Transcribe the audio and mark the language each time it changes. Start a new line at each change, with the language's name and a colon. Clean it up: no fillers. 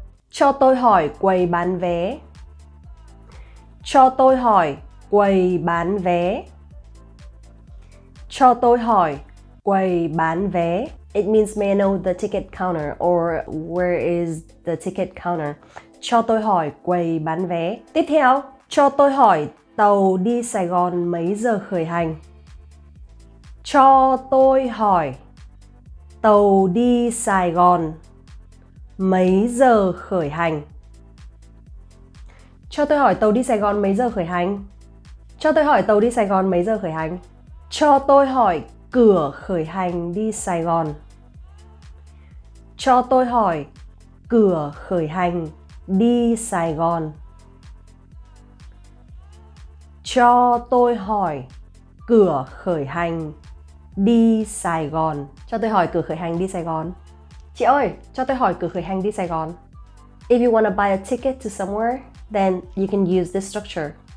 Vietnamese: Cho tôi hỏi quầy bán vé. Cho tôi hỏi quầy bán vé. Cho tôi hỏi quầy bán vé.
English: It means may I know the ticket counter or where is the ticket counter.
Vietnamese: Cho tôi hỏi quầy bán vé. Tiếp theo, cho tôi hỏi tàu đi Sài Gòn mấy giờ khởi hành. Cho tôi hỏi tàu đi Sài Gòn mấy giờ khởi hành. Cho tôi hỏi tàu đi Sài Gòn mấy giờ khởi hành. Cho tôi hỏi tàu đi Sài Gòn mấy giờ khởi hành. Cho tôi hỏi cửa khởi hành đi Sài Gòn. Cho tôi hỏi cửa khởi hành đi Sài Gòn. Cho tôi hỏi cửa khởi hành đi Sài Gòn. Cho tôi hỏi cửa khởi hành đi Sài Gòn. Chị ơi, cho tôi hỏi cửa khởi hành đi Sài Gòn.
English: If you want to buy a ticket to somewhere, then you can use this structure.